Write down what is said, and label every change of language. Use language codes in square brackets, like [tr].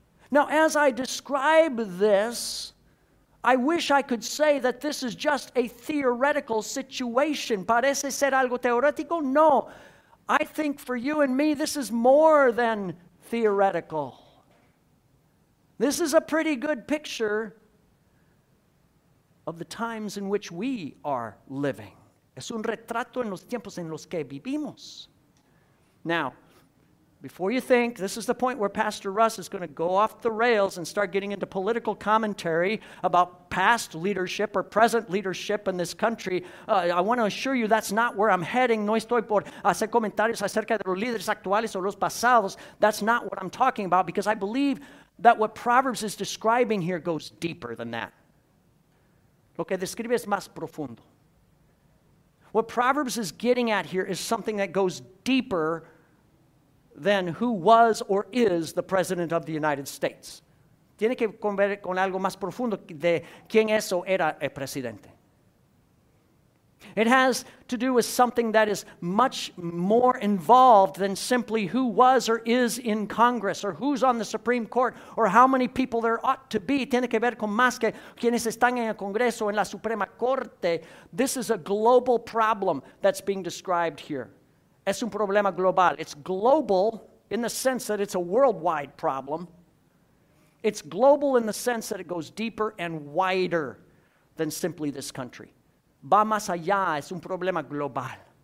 [en] Now, as I describe this, I wish I could say that this is just a theoretical situation. [es] ¿Parece ser algo teórico? No. [en] I think for you and me, this is more than theoretical. This is a pretty good picture of the times in which we are living. [es] Es un retrato en los tiempos en los que vivimos. [en] Now, before you think, this is the point where Pastor Russ is going to go off the rails and start getting into political commentary about past leadership or present leadership in this country. I want to assure you that's not where I'm heading. [es] No estoy por hacer comentarios acerca de los líderes actuales o los pasados. [en] That's not what I'm talking about, because I believe that what Proverbs is describing here goes deeper than that. [es] Lo que describe es más profundo. [en] What Proverbs is getting at here is something that goes deeper than who was or is the President of the United States. [es] Tiene que ver con algo más profundo de quién es o era el presidente. [en] It has to do with something that is much more involved than simply who was or is in Congress or who's on the Supreme Court or how many people there ought to be. [es] Tiene que ver con más que quienes están en el Congreso o en la Suprema Corte. [en] This is a global problem that's being described here. [es] Es un problema global. [en] It's global in the sense that it's a worldwide problem. It's global in the sense that it goes deeper and wider than simply this country. [es] Va más allá, es un problema global.